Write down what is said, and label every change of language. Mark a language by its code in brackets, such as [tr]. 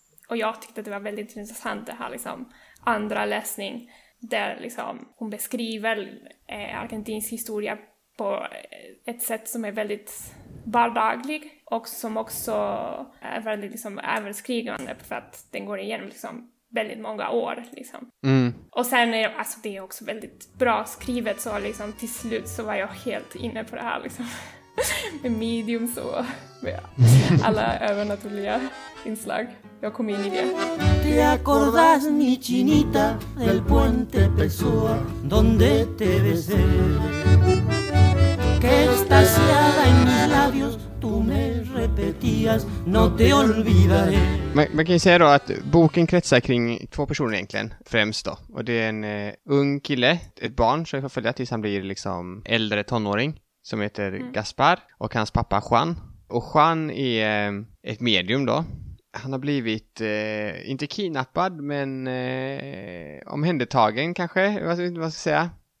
[sv] Och jag tyckte att det var väldigt intressant det här liksom andra läsning där liksom hon beskriver argentinsk historia på ett sätt som är väldigt vardaglig och som också är väldigt liksom överskrigande för att den går igenom liksom väldigt många år liksom. Och sen är det är också väldigt bra skrivet, så liksom till slut så var jag helt inne på det här liksom med medium så med alla övernaturliga inslag. Jag kom in i det. [es] Te acordás mi chinita del puente Pessoa donde te besé. Que extasiada en mis labios tú me repetías no te olvidaré. [sv] Man kan ju säga då att boken kretsar kring två personer egentligen, främst då. Och det är en ung kille, ett barn som jag får följa tills han blir liksom äldre tonåring, som heter Gaspar, och hans pappa Juan. Och Juan är ett medium då. Han har blivit, inte kidnappad, men omhändertagen kanske, vad ska jag säga?